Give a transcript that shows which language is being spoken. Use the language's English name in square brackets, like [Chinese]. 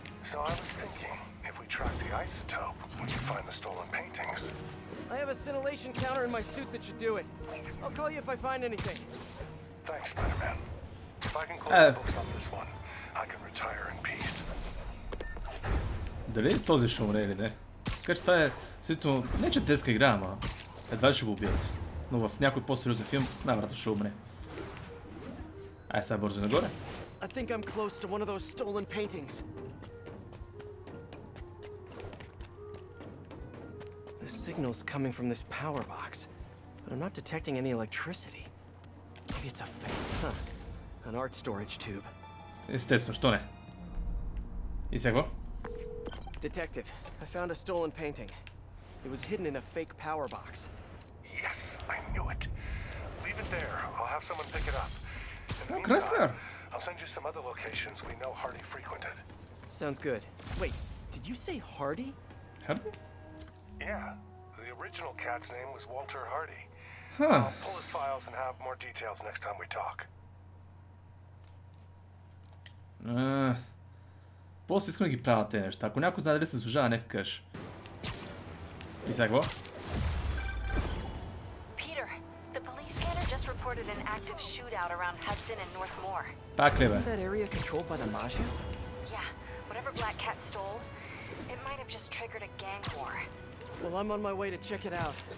[English] So I was thinking, if we track the isotope, we can find the stolen paintings. I have a scintillation counter in my suit that should do it. I'll call you if I find anything. Thanks, Spider-Man. If I can close the books on this one, I can retire in peace. [Bulgarian] Дали този ще умре или не? Така че това е свидетелно, не че детска игра, ама едва ли ще го убият. Но в някой по-сериозен филм, най-вероятно ще умре. Ай, сега бързо нагоре. [English] I think I'm close to one of those stolen paintings. The signal's coming from this power box, but I'm not detecting any electricity. Maybe it's a fake, huh? An art storage tube. [Bulgarian] Естествено, що не? И сега го? [English] Detective, I found a stolen painting. It was hidden in a fake power box. Yes, I knew it. Leave it there. I'll have someone pick it up. Oh, Chrysler! I'll send you some other locations we know Hardy frequented. Sounds good. Wait, did you say Hardy? Hardy? Yeah, the original cat's name was Walter Hardy. Huh. I'll pull his files and have more details next time we talk. [Bulgarian] После искам да ги правя тези неща. Ако някой знае дали се заслужава, нека каже. И сега какво? [English] Peter, the police scanner just reported an active shootout around Hudson and Northmore. [Bulgarian] Пак ли, бе? [English] Isn't that area controlled by the Mafia? Yeah, whatever Black Cat stole, it might have just triggered a gang war. Well, I'm on my way to check it out.